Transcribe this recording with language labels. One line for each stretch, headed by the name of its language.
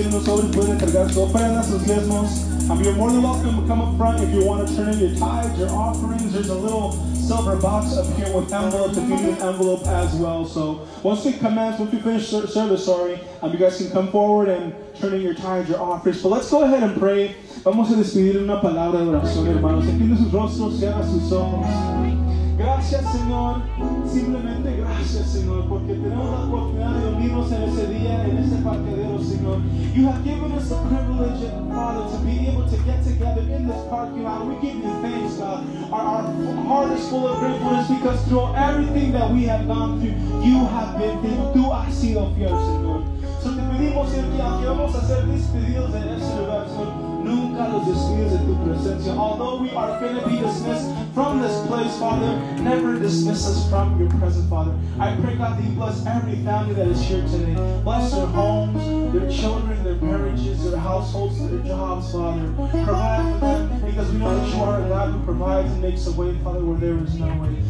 English: You're more than welcome to come up front if you want to turn in your tithes, your offerings. There's a little silver box up here with envelopes if you need an envelope as well. So once we commence, once we finish service, you guys can come forward and turn in your tithes, your offerings. But let's go ahead and pray.
Spanish: Vamos a despedir una palabra de oración, hermanos. Extiende sus rostros, cierra sus ojos. Gracias, Señor. Simplemente gracias, Señor, porque tenemos la oportunidad de unirnos en ese día, en ese parqueadero, Señor.
English: You have given us the privilege, Father, to be able to get together in this parking lot. We give you thanks, God. Our heart is full of gratefulness because through everything that we have gone through, you have been faithful.
Spanish: Tú has sido fiel, Señor. So te pedimos, Señor, que aunque vamos a hacer despedidos en este lugar, Señor, nunca los despides de tu presencia.
English: Although we are going to be dismissed from this place, Father, never dismiss us from your presence, Father. I pray, God, that you bless every family that is here today. Bless their homes, their children, their marriages, their households, their jobs, Father. Provide for them, because we know that you are a God who provides and makes a way, Father, where there is no way.